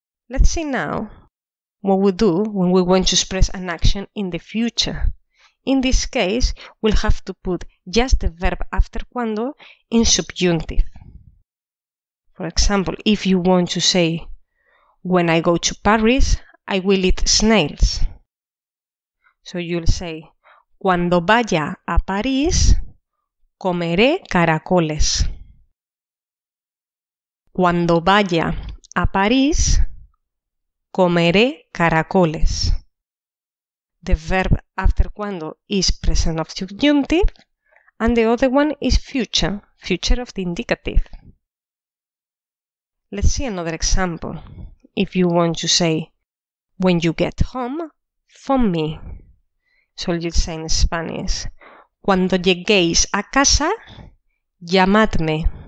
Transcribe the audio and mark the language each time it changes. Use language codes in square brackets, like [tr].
[en] Let's see now what we do when we want to express an action in the future. In this case, we'll have to put just the verb after cuando in subjunctive. For example, if you want to say, when I go to Paris, I will eat snails. So you'll say, [es] cuando vaya a París, comeré caracoles. Cuando vaya a París, comeré caracoles. [en] The verb after cuando is present of subjunctive, and the other one is future, future of the indicative. Let's see another example. If you want to say, when you get home, phone me. So you'll say in Spanish, [es] cuando lleguéis a casa, llamadme.